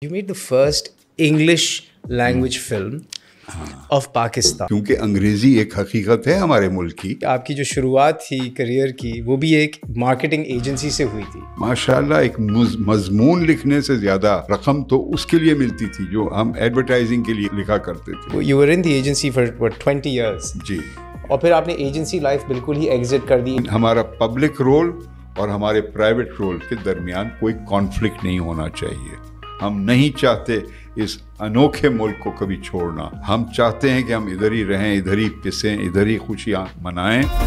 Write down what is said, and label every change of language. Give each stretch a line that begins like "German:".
English: You made the first English language film of Pakistan.
Hindi: क्योंकि अंग्रेजी एक हकीकत है हमारे मुल्क की. आपकी जो शुरुआत थी करियर की वो भी एक मार्केटिंग एजेंसी से हुई थी. माशाल्लाह एक मजमून लिखने से ज्यादा रकम तो उसके लिए मिलती थी जो हम एडवर्टाइजिंग के लिए लिखा करते थे.
English: You were in the agency for what, 20 years?
Hindi: जी. और फिर आपने एजेंसी लाइफ बिल्कुल ही एग्जिट कर दी. हमारा पब्लिक रोल और हमारे प्राइवेट रोल के दरमियान कोई कॉन्फ्लिक्ट नहीं होना चाहिए. हम नहीं चाहते इस अनोखे मुल्क को कभी छोड़ना. हम चाहते हैं कि हम इधर ही रहें, इधर ही पिसें, इधर ही खुशियां मनाएं.